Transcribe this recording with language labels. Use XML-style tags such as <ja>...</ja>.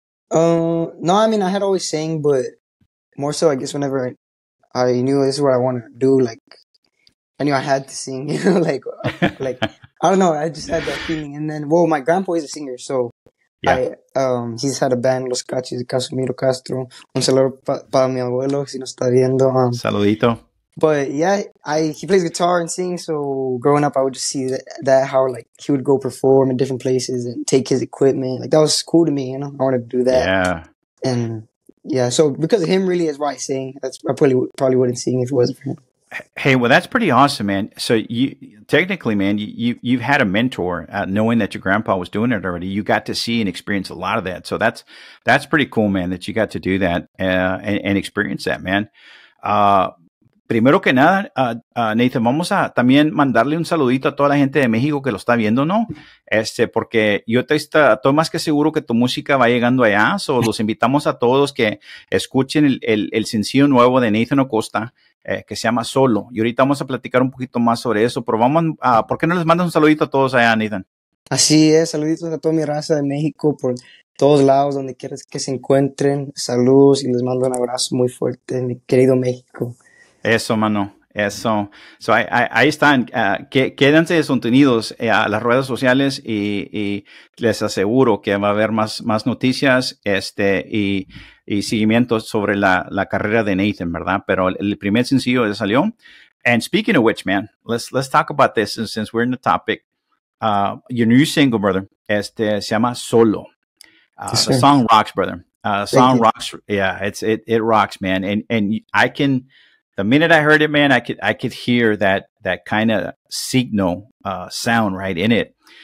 <en>No, I mean, I had always sang, but more so, I guess, whenever I knew this is what I want to do, like, I knew I had to sing, you know, like, I don't know, I just had that feeling. And then, well, my grandpa is a singer, so... Yeah. He's had a band, Los Cachis de Casimiro Castro.</en> <es>Un saludo para mi abuelo, si no está viendo. Saludito.</es> <en>But yeah, he plays guitar and sings. So growing up, I would just see that how like he would go perform in different places and take his equipment. Like that was cool to me, you know, I wanted to do that. Yeah. And yeah, so because of him really is why I sing. I probably wouldn't sing if it wasn't for him. Hey, well, that's pretty awesome, man. So you technically, man, you've had a mentor, knowing that your grandpa was doing it already. You got to see and experience a lot of that. So that's pretty cool, man, that you got to do that and experience that, man.</en> <es>Primero que nada, Nathan, vamos a también mandarle un saludito a toda la gente de México que lo está viendo, ¿no? Porque yo estoy más que seguro que tu música va llegando allá. So los invitamos a todos que escuchen el sencillo nuevo de Nathan Acosta, que se llama Solo. Y ahorita vamos a platicar un poquito más sobre eso. Pero vamos, ¿por qué no les mandas un saludito a todos allá, Nathan? Así es, saluditos a toda mi raza de México por todos lados, donde quieras que se encuentren. Saludos y les mando un abrazo muy fuerte, mi querido México. Eso, mano, eso. So, ahí están, quédense unidos a las redes sociales y les aseguro que va a haber más noticias y seguimiento sobre la carrera de Nathan, ¿verdad? Pero el primer sencillo ya salió.</es> <en>And speaking of which, man, let's talk about this since we're in the topic. Your new single, brother,</en> <es>se llama Solo.</es> <en>The Sure. song rocks, brother. Thank Song you. rocks. Yeah, it rocks, man. And I can, the minute I heard it, man, I could hear that kind of signal sound right in it.</en>